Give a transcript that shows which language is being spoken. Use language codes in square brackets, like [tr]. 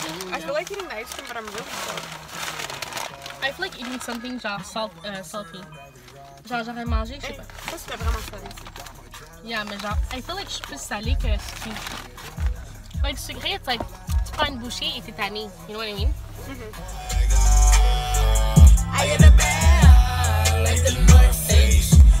[en] I feel like eating ice cream, but I'm really full. I feel like eating something salty. [fr] Genre, j'aurais mangé, je sais pas. Ça, c'était vraiment salé. Yeah, mais genre, [en] I feel like [fr] je suis plus salé que sucré. Like, sucré, [en] it's like, [fr] tu prends une bouchée et t'es tanné. [en] You know what I mean? Mm-hmm. I get a bad, like the North Face.